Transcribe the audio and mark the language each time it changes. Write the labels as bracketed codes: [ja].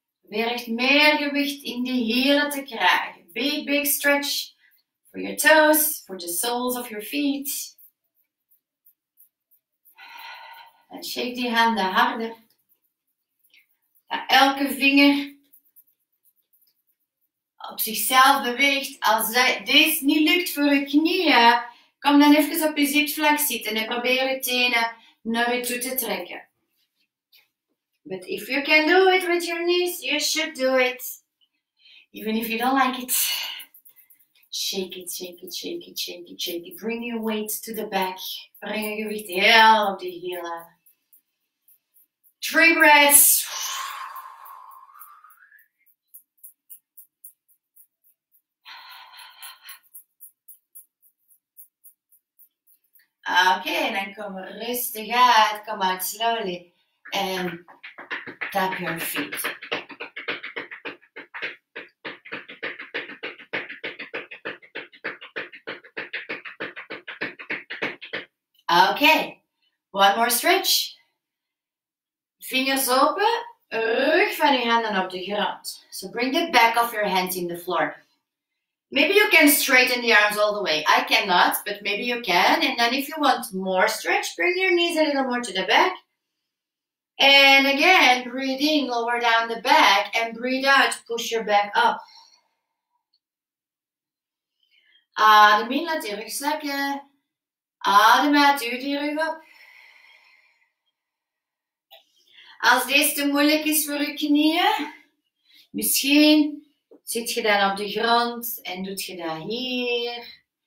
[nl] Weer echt meer gewicht in die hielen te krijgen. [en] Big, big stretch. For your toes, for the soles of your feet. [nl] En shake die handen harder. Dat elke vinger op zichzelf beweegt. Als deze niet lukt voor je knieën, kom dan even op je zitvlak zitten en probeer je tenen naar je toe te trekken. [en] But if you can do it with your knees, you should do it. Even if you don't like it. Shake it, shake it, shake it, shake it, shake it. Bring your weight to the back. Bring your weight [nl] heel op de hielen. [en] Three breaths. [nl] Okay, en dan kom rustig uit. Kom uit slowly. [en] And tap your feet. Okay, one more stretch. [nl] Vingers open, rug van je handen op de grond. [en] So bring the back of your hands in the floor. Maybe you can straighten the arms all the way. I cannot, but maybe you can. And then if you want more stretch, bring your knees a little more to the back. And again, breathe in, lower down the back, and breathe out, push your back up. [nl] Adem in, laat je rug zakken. Adem uit, duw die rug op. Als deze te moeilijk is voor je knieën, misschien zit je dan op de grond en doet je dat hier.